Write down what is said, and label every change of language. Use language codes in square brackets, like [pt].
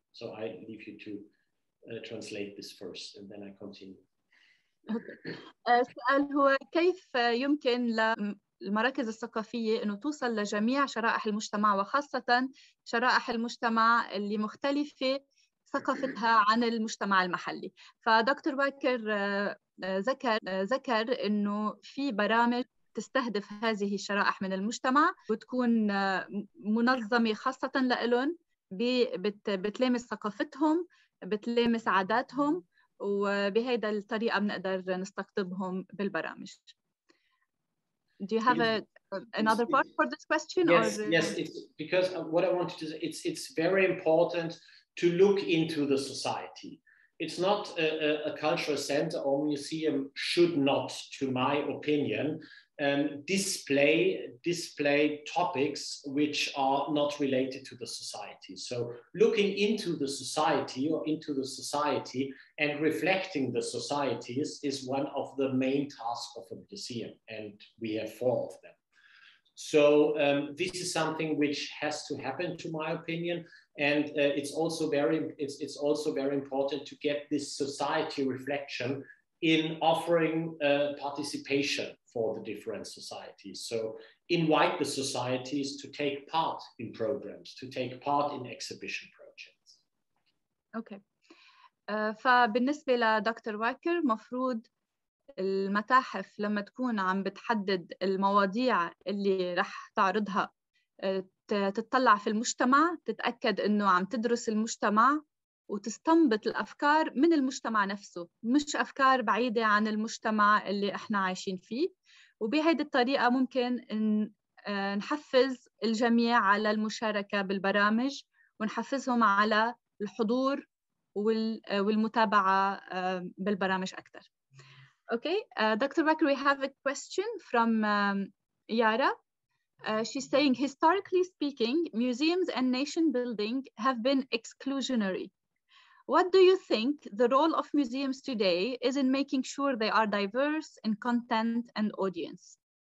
[en] So I leave you to translate this first, and then I continue. [ar] السؤال هو كيف يمكن للمراكز الثقافية إنه توصل لجميع شرائح المجتمع وخاصة شرائح المجتمع اللي مختلفة ثقافتها عن المجتمع المحلي. فدكتور باكر ذكر إنه في برامج تستهدف هذه الشرائح من المجتمع وتكون منظمة خاصة لإلهم بتلامس ثقافتهم بتلامس عاداتهم وبهيدا الطريقة بنقدر نستقطبهم بالبرامج. [en] Do you have another part for this question? Yes, it's because what I wanted to say, it's very important to look into the society. It's not a cultural center or museum should not, to my opinion, display topics which are not related to the society. So looking into the society or into the society and reflecting the societies is one of the main tasks of a museum, and we have four of them. So this is something which has to happen, to my opinion. And it's also very important to get this society reflection in offering participation for the different societies. So invite the societies to take part in programs, to take part in exhibition projects. Okay. [ar] فبالنسبة لدكتور واكر مفروض المتاحف لما تكون عم بتحدد المواضيع اللي رح تعرضها تتطلع في المجتمع تتأكد إنه عم تدرس المجتمع وتستنبط الأفكار من المجتمع نفسه مش أفكار بعيدة عن المجتمع اللي إحنا عايشين فيه وبهذه الطريقة ممكن نحفز الجميع على المشاركة بالبرامج ونحفزهم على الحضور والمتابعة بالبرامج أكثر. [en] Okay, Dr. Baker, we have a question from Yara. She's saying, historically speaking, museums and nation building have been exclusionary. What do you think the role of museums today is in making sure they are diverse in content and audience?